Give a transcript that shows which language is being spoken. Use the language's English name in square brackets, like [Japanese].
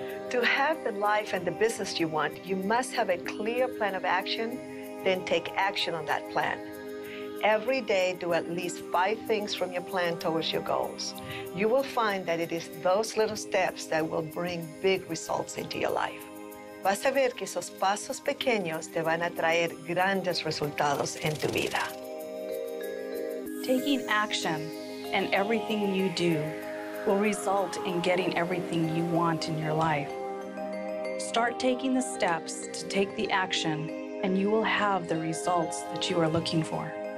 [English] To have the life and the business you want, you must have a clear plan of action, then take action on that plan. every day do at least 5 things from your plan towards your goals. You will find that it is those little steps that will bring big results into your life. [Spanish] Vas a ver que esos pasos pequeños te van a traer grandes resultados en tu vida. [English] Taking action in everything you do will result in getting everything you want in your life. Start taking the steps to take the action, and you will have the results that you are looking for.